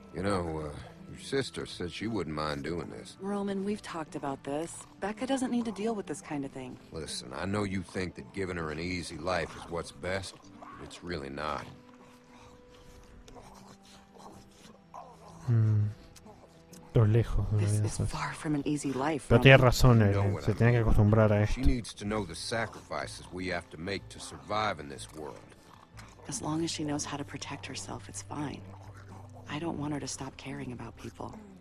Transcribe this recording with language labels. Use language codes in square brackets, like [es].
[en] You know, your sister said she wouldn't mind doing this. Roman, we've talked about this. Becca doesn't need to deal with this kind of thing. Listen, I know you think that giving her an easy life is what's best, but it's really not. [es] Pero tiene razón, él, se tiene que acostumbrar a esto. [en] She needs to know the sacrifices we have to make to survive in this world. As long as she knows how to protect herself, it's fine. I don't want her to stop caring about people.